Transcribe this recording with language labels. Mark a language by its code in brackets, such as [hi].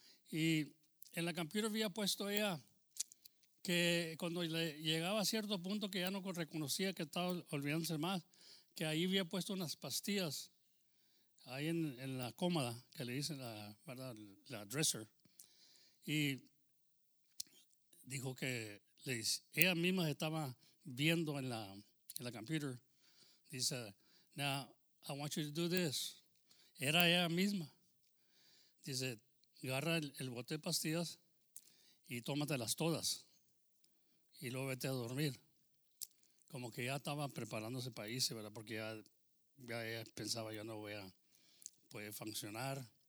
[es] Y en la computer había puesto ella que cuando le llegaba a cierto punto que ya no reconocía que estaba olvidándose más, que ahí había puesto unas pastillas ahí en la cómoda, que le dicen la, ¿verdad?, la dresser. Y dijo que ella misma estaba viendo en la computer. Dice, [en] now, I want you to do this. [es] Era ella misma. Dice, agarra el bote de pastillas y tómatelas todas. Y luego vete a dormir. Como que ya estaba preparándose para irse, ¿verdad? Porque ya pensaba, yo no voy a poder funcionar.